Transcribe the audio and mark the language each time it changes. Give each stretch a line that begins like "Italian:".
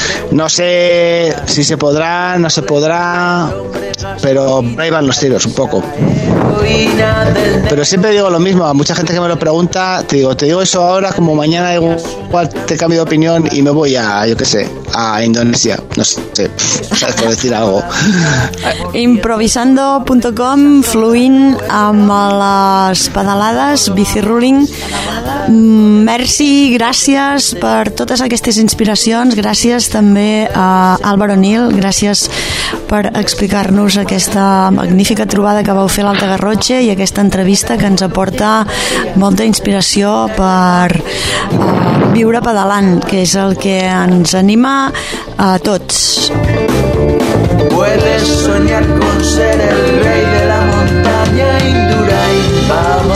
Spanish: No sé si se podrá, no se podrá, pero ahí van los tiros un poco. Pero siempre digo lo mismo, a mucha gente que me lo pregunta, te digo eso ahora, como mañana igual te cambio de opinión y me voy a, yo qué sé, a Indonesia, no sé, por decir algo.
Catalan: Improvisando.com, fluint amb les pedalades, bici ruling. Merci, gràcies per totes aquestes inspiracions, gràcies també a Álvaro Nil, gràcies per explicar-nos aquesta magnífica trobada que vau fer a l'Alta Garrotxa i aquesta entrevista que ens aporta molta inspiració per viure pedalant, que és el que ens anima a tots.
Spanish: Puedes soñar con ser el rey de la montaña Indurain.